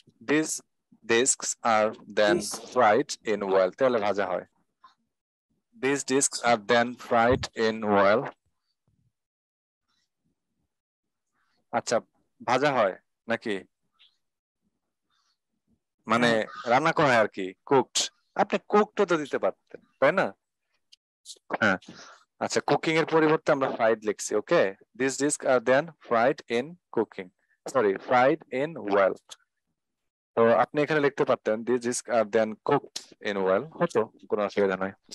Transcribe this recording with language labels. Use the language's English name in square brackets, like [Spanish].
[English] These discs are then fried in oil. These discs are then fried in oil. [Bangla] আচ্ছা ভাজা হয় নাকি মানে রান্না করা হয় আর কি কুকড আপনি কুকড তো দিতে পারতেন তাই না হ্যাঁ আচ্ছা কুকিং এর পরিবর্তে আমরা ফ্রাইড লিখছি okay [English] this dish আর then fried in cooking sorry fried in oil [Bangla] তো আপনি এখানে লিখতে পারতেন [English] this dish আর then cooked in oil [Bangla] হতো কোনো অসুবিধা নয়